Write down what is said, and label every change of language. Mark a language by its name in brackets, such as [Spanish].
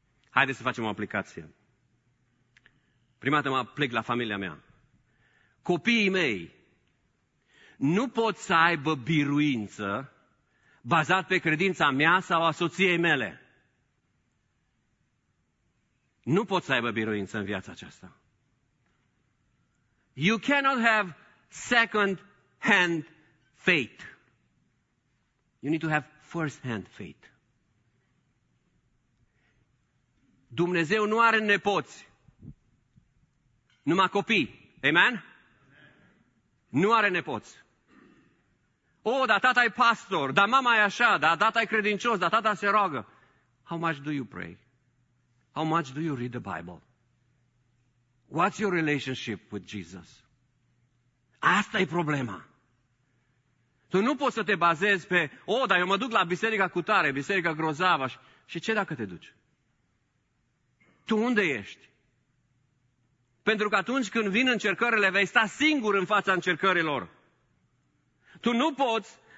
[Romanian] Haideți să facem o aplicație. Prima dată mă aplic la familia mea. Copiii mei nu pot să aibă biruință bazat pe credința mea sau a soției mele. Nu pot să aibă biruință în viața aceasta. [English] You cannot have second hand faith. You need to have first hand faith. [Romanian] Dumnezeu nu are nepoți, numai copii. Amen? Nu are nepoți. O, dar tata e pastor, dar mama e așa, dar tata e credincios, dar tata se roagă. [English] How much do you pray? How much do you read the Bible? What's your relationship with Jesus? [Romanian] Asta e problema. Tu nu poți să te bazezi pe, o, dar eu mă duc la biserica cutare, biserica grozavă. Și ce dacă te duci? Tu unde ești? Pentru că atunci când vin încercările, vei sta singur în fața încercărilor. Tu nu poți